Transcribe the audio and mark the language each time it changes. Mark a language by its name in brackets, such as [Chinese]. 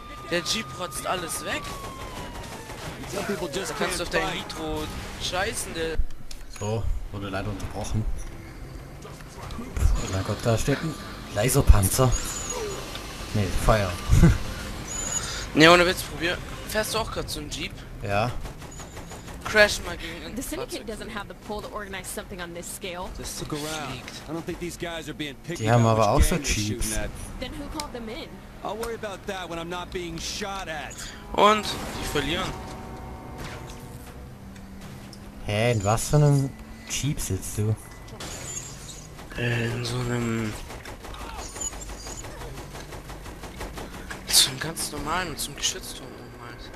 [German] Der Jeep rotzt alles weg. Da kannst du auf dein Nitro scheißen, der... So, wurde leider unterbrochen. Oh mein Gott, da steht ein Laserpanzer. Ne, Feuer. Ne, ohne Witz, probier. Fährst du auch gerade so ein Jeep? Ja. crash mal gegen irgendein [English] The syndicate doesn't have the pull to organize something on this scale. [German] Das ist so geschickt. [English] I don't think these guys are being picked up. [German] Die haben aber auch so Cheeps. [English] Then who called them in? I'll worry about that when I'm not being shot at. [German] Und die verlieren. Hä, in was für einem Jeep sitzt du? In so einem... Zum ganz normalen und zum Geschützturm nochmal.